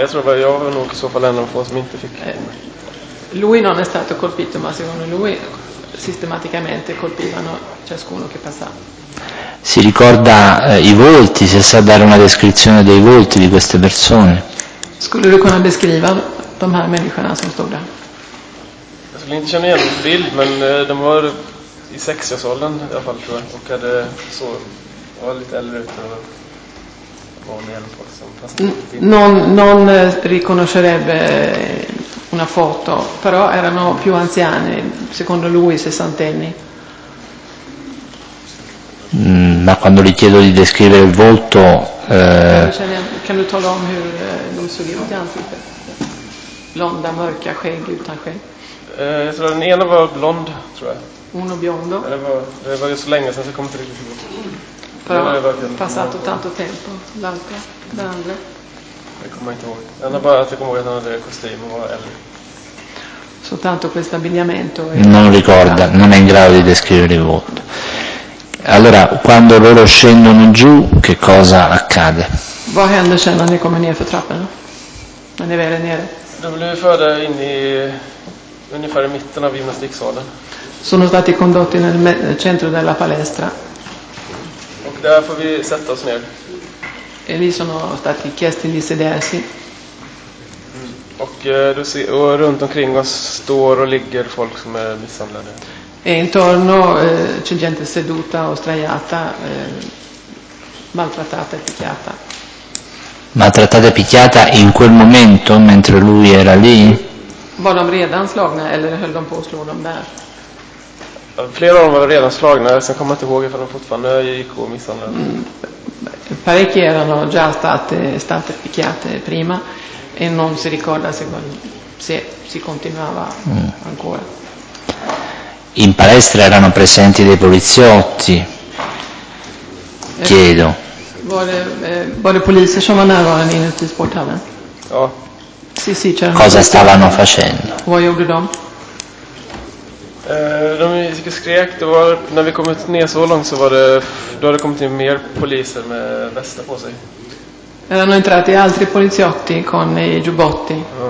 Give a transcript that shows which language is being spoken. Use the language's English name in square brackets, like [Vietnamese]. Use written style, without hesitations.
[Swedish] Jag tror att jag var nog i så fall en av de få som inte fick. [Italian] Lui non è stato colpito, ma secondo lui sistematicamente colpivano ciascuno che passava. Si ricorda i volti, se sa dare una descrizione dei volti di queste persone? [Swedish] Skulle du kunna beskriva de här människorna som stod där? Jag skulle inte känna igen en bild, men de var i 60-årsåldern i alla fall, tror jag. Och hade så, var lite äldre ut och var med hjälp också. Någon [Italian] riconoscerebbe una foto, però erano più anziani, secondo lui sessantenni. Ma quando gli chiedo di descrivere il volto, [Swedish] kan du tala om hur de såg ut i ansiktet? Blonda, mörka, skägg, utan skägg? Jag tror den ena var blond, tror jag. [Italian] Uno biondo? [Swedish] Det var ju så länge sedan, så kom inte riktigt ihåg. [Italian] Però passato tanto tempo, l'altra, [Swedish] den andra. Jag kommer inte ihåg. Det enda bara att jag kommer ihåg att han hade kostym och var äldre. [Italian] Soltanto questo abbigliamento. Non ricorda, non è in grado di descrivere il volto. Allora, quando loro scendono giù, che cosa accade? [Swedish] Vad händer sen när ni kommer ner för trappen? När ni väl är nere? De blev förda in i ungefär i mitten av gymnastiksalen. [Italian] Sono stati condotti nel centro della palestra. [Swedish] Och där får vi sätta oss ner. [Italian] E lì sono stati chiesti di sedersi. [Swedish] Och du ser, och runt omkring oss står och ligger folk som är misshandlade. [Italian] E intorno c'è gente seduta o sdraiata, maltrattata e picchiata. Maltrattata e picchiata in quel momento mentre lui era lì? [Swedish] Var de redan slagna eller höll de på att slå dem där? Flera av dem var redan slagna, sen kommer jag inte ihåg ifall de fortfarande gick och misshandlade. [Italian] Parecchie erano già state picchiate prima e non si ricorda se si continuava ancora. In palestra erano presenti dei poliziotti? Chiedo. [Swedish] Var det poliser som var närvarande inuti sporthallen? Ja. [Italian] Sì, sì, c'erano. Cosa stavano facendo? [Swedish] Vad gjorde de? De gick och skrek. Det var, när vi kom ner så långt så var det, då hade det kommit in mer poliser med västar på sig. [Italian] Erano entrati altri poliziotti con i giubbotti.